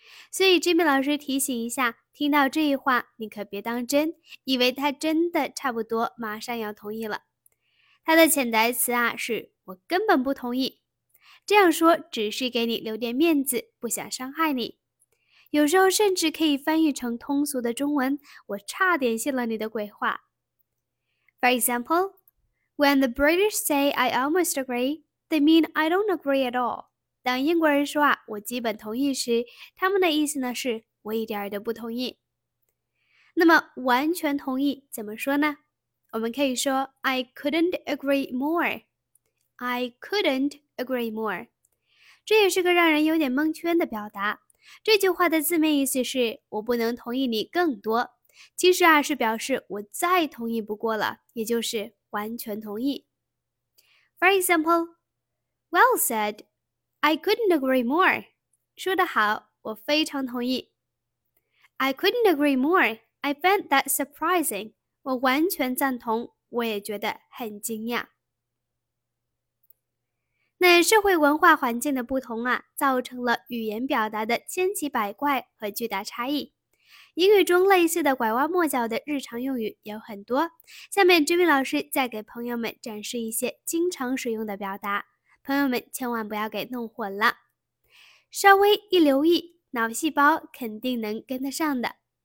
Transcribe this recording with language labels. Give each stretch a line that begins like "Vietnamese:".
Chinese: 所以 Jimmy 老师提醒一下，听到这一话你可别当真，以为他真的差不多马上要同意了。他的潜台词啊，是我根本不同意，这样说只是给你留点面子，不想伤害你。有时候甚至可以翻译成通俗的中文，我差点信了你的鬼话。
English: For example, when the British say I almost agree, they mean I don't agree at all.
Chinese: 当英国人说啊，我基本同意时，他们的意思呢是我一点都不同意。那么完全同意怎么说呢？我们可以说
English: I couldn't agree more. I couldn't agree more.
Chinese: 这也是个让人有点蒙圈的表达。这句话的字面意思是我不能同意你更多，其实啊是表示我再同意不过了，也就是完全同意。
English: For example, well said, I couldn't agree more.
Chinese: 说得好，我非常同意。
English: I couldn't agree more, I find that surprising.
Chinese: 我完全赞同，我也觉得很惊讶。那社会文化环境的不同啊，造成了语言表达的千奇百怪和巨大差异。英语中类似的拐弯抹角的日常用语有很多，下面 Jimmy 老师再给朋友们展示一些经常使用的表达，朋友们千万不要给弄混了，稍微一留意，脑细胞肯定能跟得上的。